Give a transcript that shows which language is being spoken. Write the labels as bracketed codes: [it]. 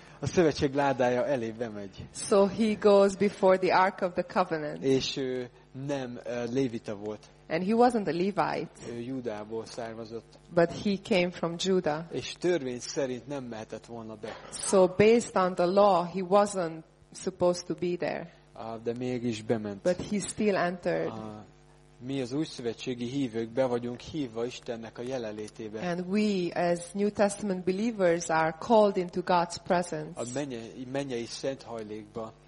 [hu] A szövetség ládája elé bemegy. [en] So he goes before the Ark of the Covenant. [hu] És ő nem lévita volt. [en] And he wasn't a Levite. [hu] Ő Júdából származott. [en] But he came from Judah. [hu] És törvény szerint nem mehetett volna be. [en] So based on the law, he wasn't supposed to be there. [hu] De mégis bement. [en] But he still entered. [hu] Mi az új szövetségi hívők be vagyunk hívva Istennek a jelenlétébe. [en] And we as New Testament believers are called into God's presence. [hu] A mennyei szent hajlékba.